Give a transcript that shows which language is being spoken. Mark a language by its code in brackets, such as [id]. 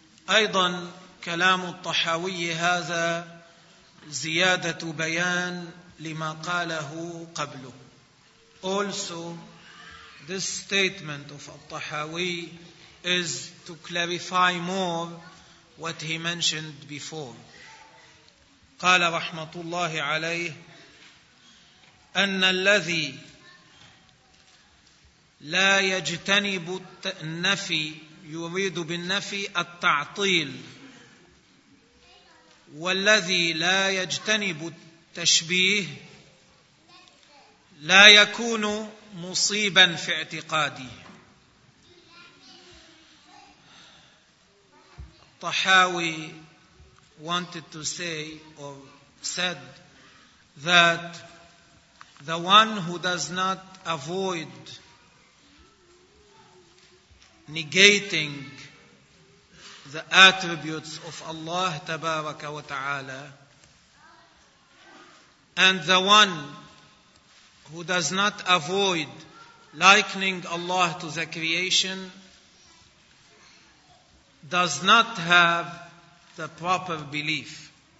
[ar] أيضا كلام الطحاوي هذا زيادة بيان لما قاله قبله. [en] Also, this statement of al-Tahawi is to clarify more what he mentioned before. [ar] قال رحمة الله عليه: أن الذي لا يجتنب النفي يريد بالنفي التعطيل، والذي لا يجتنب التشبيه لا يكون مصيبا في اعتقاده. [en] طحاوي wanted to say or said that the one who does not avoid negating the attributes of Allah [ar] تبارك وتعالى [en] and the one who does not avoid likening Allah to the creation does not have the proper belief.